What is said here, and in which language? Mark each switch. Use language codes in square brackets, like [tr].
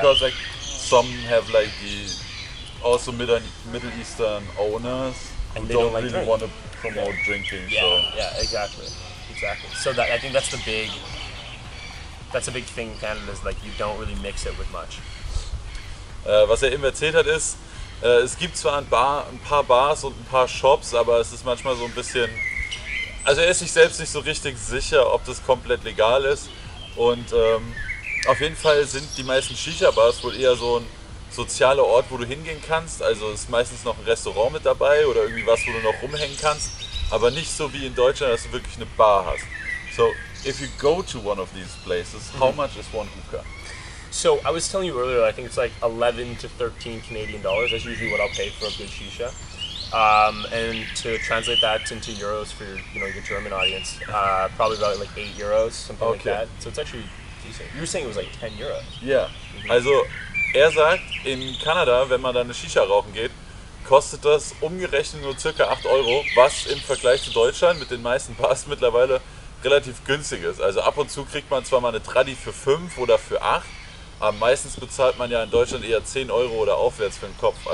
[en] Because like some have like the also Middle Eastern owners and who don't like really want to promote drinking. Yeah, so. Yeah, exactly. So that I think that's a big thing in Canada is like you don't really mix it with much. [de] Was er eben erzählt hat ist, es gibt zwar ein paar Bars und ein paar Shops, aber es ist manchmal so ein bisschen. Also er ist sich selbst nicht so richtig sicher, ob das komplett legal ist und auf jeden Fall sind die meisten Shisha-Bars wohl eher so ein sozialer Ort, wo du hingehen kannst, also ist meistens noch ein Restaurant mit dabei oder irgendwie was, wo du noch rumhängen kannst, aber nicht so wie in Deutschland, dass du wirklich eine Bar hast. [en] So, if you go to one of these places, how much is one hookah? So I was telling you earlier, I think it's like 11 to 13 Canadian dollars. That's usually what I'll pay for a good shisha. And to translate that into euros for your German audience, probably about like 8 euros, something okay. like that. So it's actually decent. You were saying it was like 10 euros. Yeah. Mm-hmm. [de] Also, sagt, in Canada, wenn man da eine Shisha rauchen geht, kostet das umgerechnet nur circa 8 Euro, was im Vergleich zu Deutschland mit den meisten Bars mittlerweile relativ günstig ist. Also ab und zu kriegt man zwar mal eine Tradi für 5 oder für 8, aber meistens bezahlt man ja in Deutschland eher 10 Euro oder aufwärts für den Kopf.